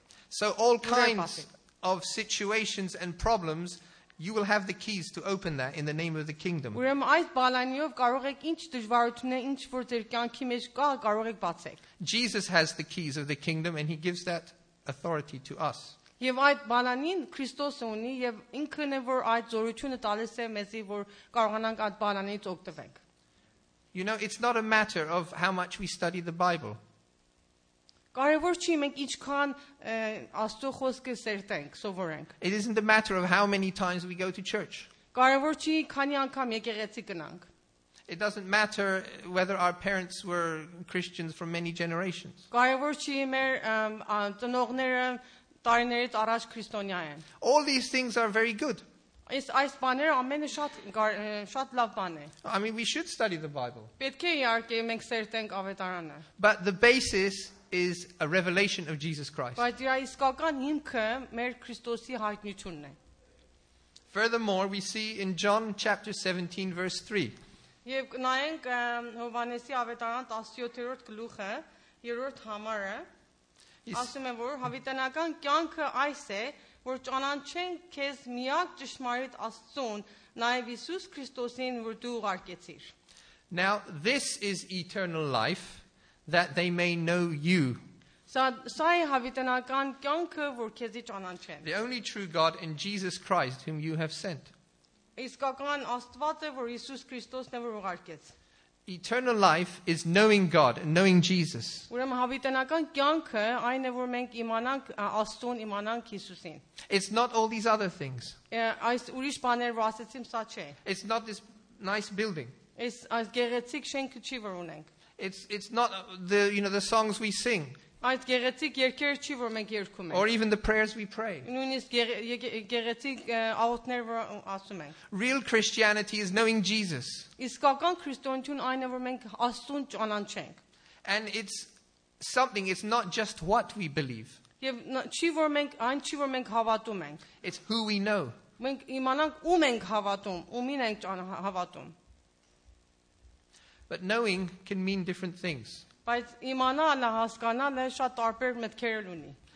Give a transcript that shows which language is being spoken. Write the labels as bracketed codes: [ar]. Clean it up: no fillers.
[en] So all kinds of situations and problems, you will have the keys to open that in the name of the kingdom. Jesus has the keys of the kingdom and he gives that authority to us. [hy] Եվ այդ բանանին Քրիստոսը ունի եւ ինքն է որ այդ զորությունը տալիս է մեզի որ կարողանանք այդ բանանից օգտվենք։ [en] You know, it's not a matter of how much we study the Bible. [hy] Կարևոր չի մենք ինչքան Աստծո խոսքը սերտենք, սովորենք։ [en] It isn't a matter of how many times we go to church. [hy] Կարևոր չի քանի անգամ եկեղեցի գնանք։ [en] It doesn't matter whether our parents were Christians for many generations. [hy] Կարևոր չի մեր ծնողները տարիներից առաջ քրիստոնյա են։ [en] All these things are very good. [hy] Այս բաները ամենը շատ լավ բան է։ [en] I mean, we should study the Bible. [hy] Պետք է իհարկե մենք սերտենք ավետարանը։ [en] But the basis is a revelation of Jesus Christ. [hy] Բայց դրա իսկական հիմքը մեր Քրիստոսի հայտնությունն է։ [en] Furthermore, we see in John chapter 17 verse 3. [hy] Եվ նայենք Հովանեսի ավետարան 17-րդ գլուխը, 3-րդ համարը։ Ասում եմ որ հավիտենական կյանքը այս է որ ճանաչեն քեզ միակ ճշմարիտ Աստծուն նաև Հիսուս Քրիստոսին որ դու ուղարկեցիր [en] Now this is eternal life that they may know you [hy] Սա է հավիտենական կյանքը որ քեզի ճանաչեն [en] The only true God and Jesus Christ whom you have sent [hy] Իսկական Աստված է որ Հիսուս Քրիստոսն է որ ուղարկեց [en] Eternal life is knowing God and knowing Jesus. [hy] Ուրեմն հավիտենական կյանքը այն է, որ մենք իմանանք Աստուն, իմանանք Հիսուսին. [en] It's not all these other things. [hy] Այս ուրիշ բաներ, որ ասեցիմ, սա չէ. [en] It's not this nice building. [hy] Այս գեղեցիկ շենքը չի, որ ունենք. [en] It's not the, you know, the songs we sing. [hy] Այս գեղեցիկ երգերը չի, որ մենք երգում ենք. [en] Or even the prayers we pray. [hy] Նույնիսկ գեղեցիկ աղոթներ, որ ասում ենք. [en] Real Christianity is knowing Jesus. [hy] Իսկական քրիստոնեություն այն է, որ մենք Աստուն ճանաչենք. [en] And it's something, it's not just what we believe. [hy] Եվ չի, որ մենք այն չի, որ մենք հավատում ենք. [en] It's who we know. [hy] Մենք իմանանք ում ենք հավատում, ումին ենք հավատում. [en] But knowing can mean different things. [hy] Բայց իմանալը, հասկանալը շատ տարբեր մտքեր ունի.